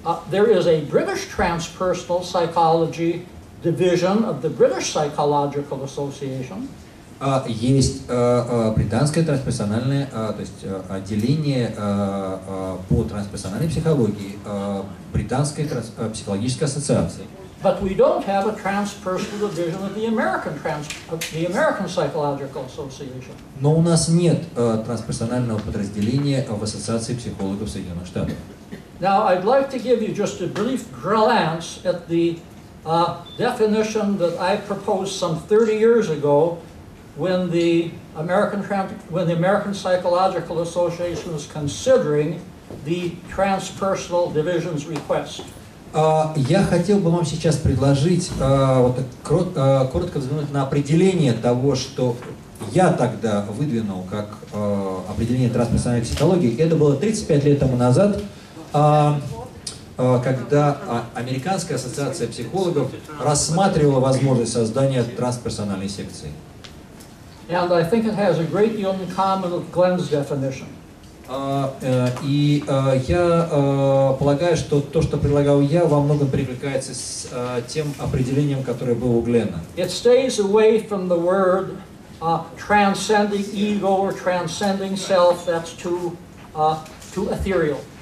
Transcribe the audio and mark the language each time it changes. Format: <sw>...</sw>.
<en>There is a British Transpersonal Psychology Division of the British Psychological Association.</en> <ru>Есть британское трансперсональное, то есть отделение по трансперсональной психологии британской психологической ассоциации.</ru> <en>But we don't have a transpersonal division of the American Psychological Association.</en> <ru>Но у нас нет трансперсонального подразделения в Ассоциации психологов Соединенных Штатов.</ru> <en>Now I'd like to give you just a brief glance at the definition that I proposed some 30 years ago when the American Psychological Association was considering the transpersonal division's request.</en> <ru>Я хотел бы вам сейчас предложить коротко взглянуть на определение того, что я тогда выдвинул как определение трансперсональной психологии. Это было 35 лет тому назад, когда Американская ассоциация психологов рассматривала возможность создания трансперсональной секции.</ru> <en>And I think it has a great deal in common with Glenn's definition.</en> <ru>Полагаю, что то, что предлагал я, во многом перекликается с тем определением, которое было у Гленна.</ru> <en>It stays away from the word transcending ego or transcending self. That's too ethereal.</en>